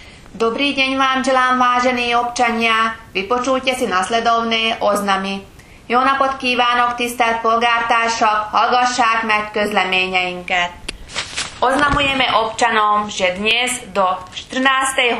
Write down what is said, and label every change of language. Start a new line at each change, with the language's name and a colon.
Slovak: Dobrý deň vám želám, vážení občania. Vypočujte si nasledovné oznamy.
Hungarian: Jó napot kívánok, tisztelt polgártársak, hallgassák meg közleményeinket.
Slovak: Oznamujeme občanom, že dnes do 14.